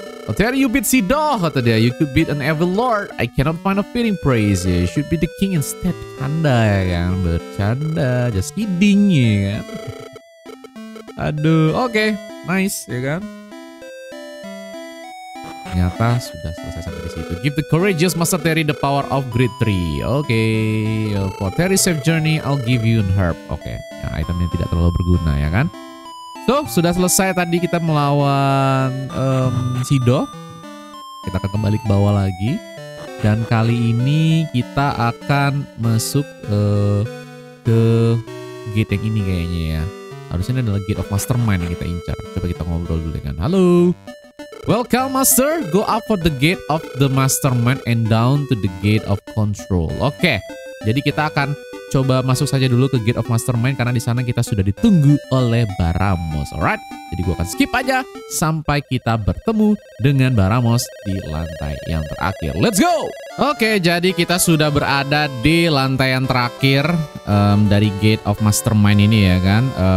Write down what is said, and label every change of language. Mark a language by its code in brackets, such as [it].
[en] Oh, there you beat Sido, [id] kata dia. [en] You could beat an evil lord. I cannot find a fitting praise. You should be the king instead. [id] Canda, ya kan? Bercanda. [en] Just kidding, [id] ya kan? Aduh. Oke. Okay. Nice, ya kan? Ternyata sudah selesai sampai di situ. [en] Give the courageous Master Terry the power of Great Tree. Oke. Okay. For Terry's safe journey, I'll give you an herb. Oke. Okay. [id] Nah, itemnya tidak terlalu berguna ya kan. So, sudah selesai tadi kita melawan Sido. Kita akan kembali ke bawah lagi. Dan kali ini kita akan masuk ke gate yang ini kayaknya ya. Harusnya ini adalah gate of mastermind yang kita incar. Coba kita ngobrol dulu dengan. Halo. [en] Welcome Master, go up for the gate of the mastermind and down to the gate of control. Oke, okay. [id] Jadi kita akan coba masuk saja dulu ke gate of mastermind karena di sana kita sudah ditunggu oleh Baramos. Alright, jadi gua akan skip aja sampai kita bertemu dengan Baramos di lantai yang terakhir. [en] Let's go! [id] Oke, okay, jadi kita sudah berada di lantai yang terakhir dari gate of mastermind ini ya kan.